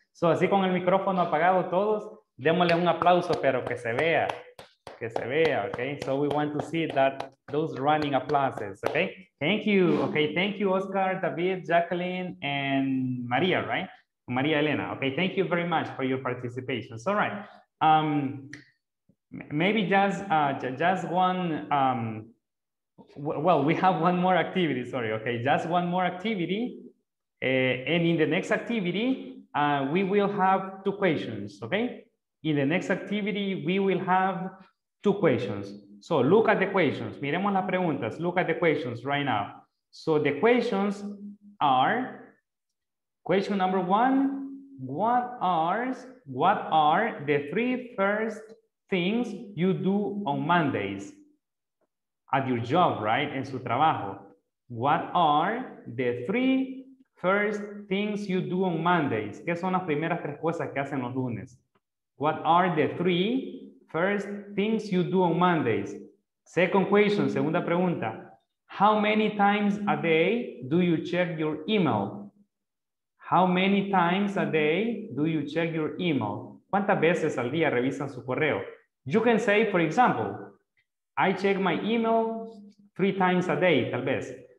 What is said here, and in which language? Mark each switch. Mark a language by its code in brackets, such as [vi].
[es] So así con el micrófono apagado todos, démosle un aplauso, pero que se vea. Que se vea, okay? [en] So we want to see that those running applauses, okay? Thank you. Okay, thank you, Oscar, David, Jacqueline, and Maria, right? Maria Elena. Okay, thank you very much for your participation. So, all right. Maybe just one more activity, And in the next activity, we will have two questions, okay? In the next activity, we will have two questions. So look at the questions. [es] Miremos las preguntas. [en] Look at the questions right now. So the questions are, question number one, what are the three first things you do on Mondays? At your job, right? [es] En su trabajo. [en] What are the three first things you do on Mondays? [es] ¿Qué son las primeras tres cosas que hacen los lunes? [en] What are the three first things you do on Mondays? Second question, [es] segunda pregunta. [en] How many times a day do you check your email? How many times a day do you check your email? [es] ¿Cuántas veces al día revisan su correo? [en] You can say, for example, I check my email three times a day, [es] tal vez.